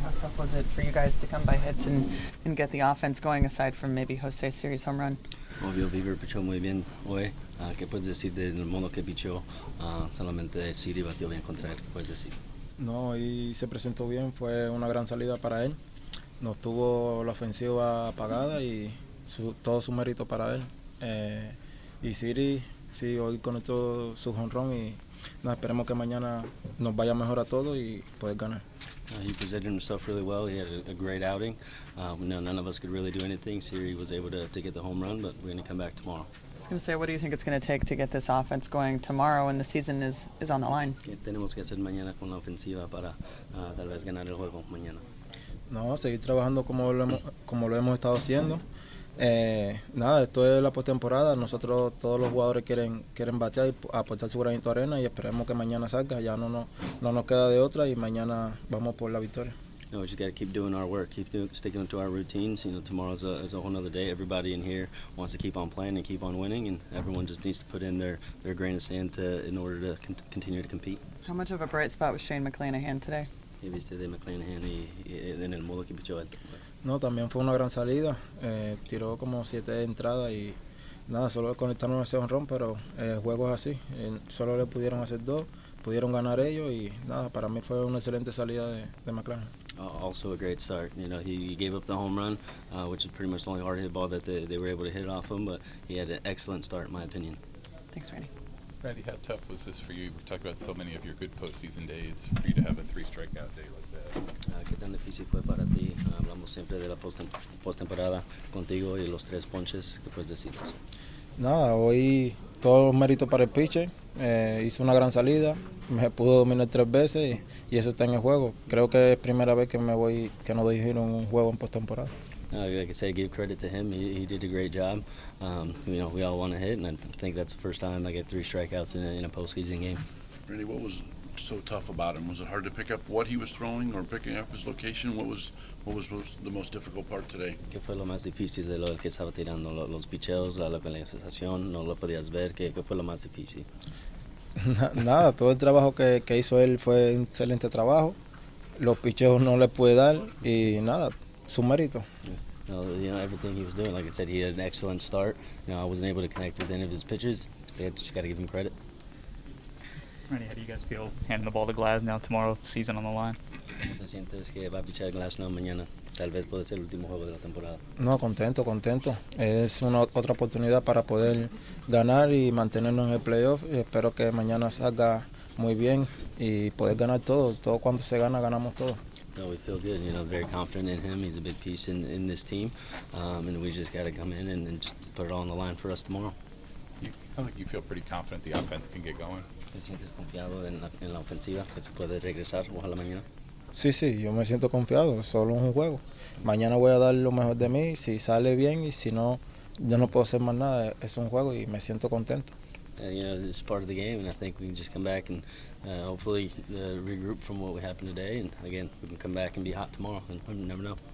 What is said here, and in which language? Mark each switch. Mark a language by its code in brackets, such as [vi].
[en] How tough was it for you guys to come by hits and get the offense going, aside from maybe Jose Siri's home run? [es] Obvio, Bieber pichó muy bien hoy. ¿Qué puedes decir del mono que pichó? Solamente Siri batió bien contra él. ¿Qué puedes decir? No, y se presentó bien. Fue una gran salida para él. Nos tuvo la ofensiva apagada y todo su mérito para él. Y Siri, sí, hoy conectó su home run y no, esperemos que mañana nos vaya mejor a todos y poder ganar. [en] He presented himself really well. He had a great outing. No, none of us could really do anything. Siri was able to get the home run, but we're going to come back tomorrow. I was going to say, what do you think it's going to take to get this offense going tomorrow when the season is on the line? [es] ¿Qué tenemos que hacer mañana con la ofensiva para tal vez ganar el juego mañana? No, seguir trabajando como lo hemos estado haciendo. Nada, esto es la postemporada. Nosotros, todos los jugadores quieren batear y aportar su granito de arena, y esperemos que mañana salga. Ya no nos queda de otra, y mañana vamos por la victoria. [en] No, we just got to keep doing our work, sticking to our routines. You know, tomorrow's is a whole other day. Everybody in here wants to keep on playing and keep on winning, and everyone just needs to put in their grain of sand in order to continue to compete. How much of a bright spot was Shane McClanahan today? He was today [es] McClanahan y en el modo que pichó él. No, también fue una gran salida. Tiró como 7 entradas y nada, solo conectaron ese home run, pero el juego es así. Solo le pudieron hacer 2, pudieron ganar ellos, y nada, para mí fue una excelente salida de McClanahan. [en] Also a great start. You know, he gave up the home run, which is pretty much the only hard hit ball that they were able to hit off him, but he had an excellent start, in my opinion. Thanks, Randy. Randy, how tough was this for you? We talked about so many of your good postseason days, for you to have a 3-strikeout day like that. [es] ¿Qué tan difícil fue para ti? Hablamos siempre de la postemporada contigo y los 3 ponches. ¿Qué puedes decir? Nada, hoy todo el mérito para el pitcher. Hizo una gran salida, me pudo dominar 3 veces y eso está en el juego. Creo que es primera vez que no doy giro en un juego en postemporada. [en] Like I said, give credit to him. He did a great job. You know, we all want to hit, and I think that's the first time I get 3 strikeouts in a postseason game. Randy, what was so tough about him? Was it hard to pick up what he was throwing or picking up his location? What was the most difficult part today? [es] ¿Qué fue lo más difícil de lo que estaba tirando? Los picheos, la localización, no lo podías ver. ¿Qué fue lo más difícil? Nada, todo el trabajo que hizo él fue un excelente trabajo. Los picheos no le pude dar, y nada, su mérito. [en] You know, everything he was doing, like I said, he had an excellent start. You know, I wasn't able to connect with any of his pitches. Just got to give him credit. Randy, how do you guys feel handing the ball to Glass now tomorrow, season on the line? [es] ¿Te sientes que va a pichar Glass now mañana? Tal vez puede ser el último juego de la temporada. No, contento. Es una otra oportunidad para poder ganar y mantenernos en el playoff. Y espero que mañana salga muy bien y poder ganar todo. Todo cuando se gana, ganamos todo. [en] No, we feel good. You know, very confident in him. He's a big piece in this team, and we just got to come in and just put it all on the line for us tomorrow. You sound like you feel pretty confident the offense can get going. [es] ¿Te sientes confiado en la ofensiva que se puede regresar ojalá mañana? Sí, sí. Yo me siento confiado. Solo es un juego. Mañana voy a dar lo mejor de mí. Si sale bien y si no, yo no puedo hacer más nada. Es un juego y me siento contento. [en] And, you know, it's part of the game, and I think we can just come back and hopefully regroup from what happened today. And again, we can come back and be hot tomorrow, and you never know.